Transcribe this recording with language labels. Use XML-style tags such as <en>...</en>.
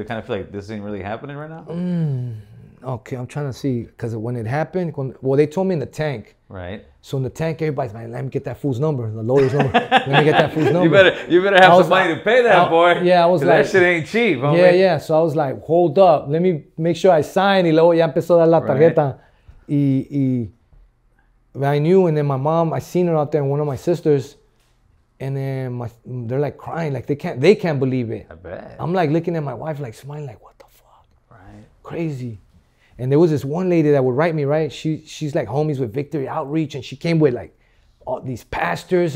<en>Did it kind of feel like this ain't really happening right now? Okay, I'm trying to see. Because when it happened, they told me in the tank. Right. So in the tank, everybody's like, let me get that fool's number, the lawyer's number. Let me get that fool's number. You better have some money to pay that, boy. Yeah, I was like. That shit ain't cheap, homie. Yeah, yeah. So I was like, hold up. Let me make sure I sign.</en> <es>Y luego ya empezó a dar la tarjeta.</es> <en>Right. I knew. And then my mom, I seen her out there and one of my sisters. And then they're like crying. Like they can't believe it. I bet. I'm like looking at my wife, like smiling, like, what the fuck? Right. Crazy. And there was this one lady that would write me, right? She's like homies with Victory Outreach, and she came with like all these pastors.</en>